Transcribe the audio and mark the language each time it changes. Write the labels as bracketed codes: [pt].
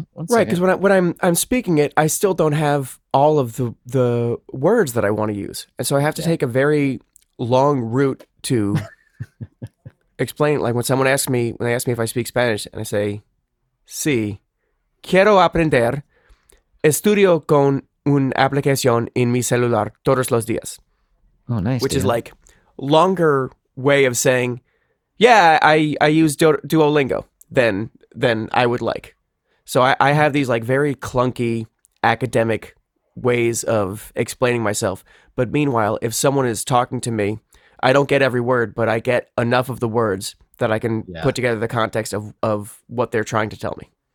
[en] Because when I'm speaking it, I still don't have all of the words that I want to use. And so I have to take a very long route to explain. Like when they ask me if I speak Spanish, and I say, [es] sí, quiero aprender. Estudio con una aplicación en mi celular todos los días. [en] Oh, nice. Which is like longer way of saying, yeah, I use Duolingo than I would like. So I have these like very clunky academic ways of explaining myself. But meanwhile, if someone is talking to me, I don't get every word, but I get enough of the words that I can put together the context of what they're trying to tell me.